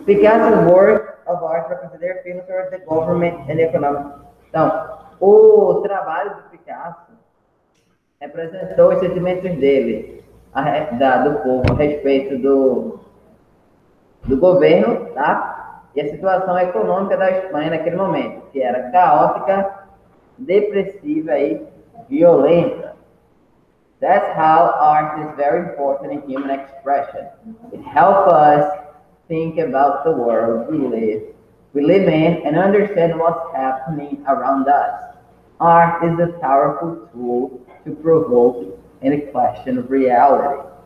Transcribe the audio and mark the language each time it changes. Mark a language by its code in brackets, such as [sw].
[en] Picasso's work of art represents their feelings toward the government and the economic. [pt] Então, o trabalho do Picasso representou os sentimentos dele, do povo, a respeito do governo, tá? E a situação econômica da Espanha naquele momento, que era caótica, depressiva e violenta. [en] That's how art is very important in human expression. It helps us think about the world we live in and understand what's happening around us. Art is a powerful tool to provoke and question reality.